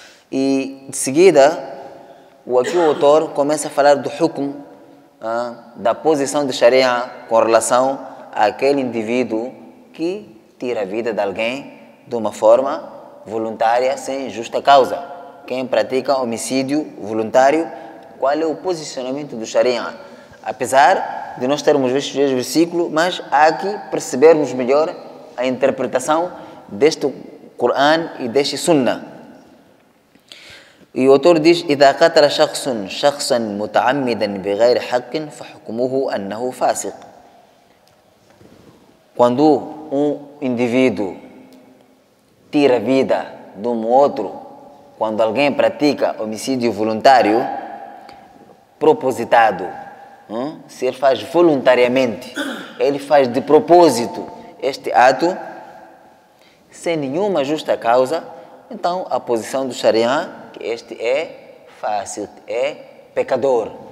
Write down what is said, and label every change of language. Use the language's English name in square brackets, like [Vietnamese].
[Portuguese] E, de seguida, aqui o autor começa a falar do hukm, da posição de Sharia com relação àquele indivíduo que tira a vida de alguém de uma forma voluntária, sem justa causa. Quem pratica homicídio voluntário, qual é o posicionamento do Sharia? Apesar de nós termos visto este versículo, mas há que percebermos melhor a interpretação deste Corão e deste Sunnah. [Arabic] E o autor diz: إِذَا قَتَلَ شَخْصٌ شَخْصًا مُتَعَمِّدًا بِغَيْرِ حَقٍ فَحُكُمُهُ أَنَّهُ فَاسِقٌ. [Portuguese] Quando indivíduo tira a vida de outro, quando alguém pratica homicídio voluntário, propositado, se ele faz voluntariamente, ele faz de propósito este ato, sem nenhuma justa causa, então a posição do Sharia, este é fácil, é pecador.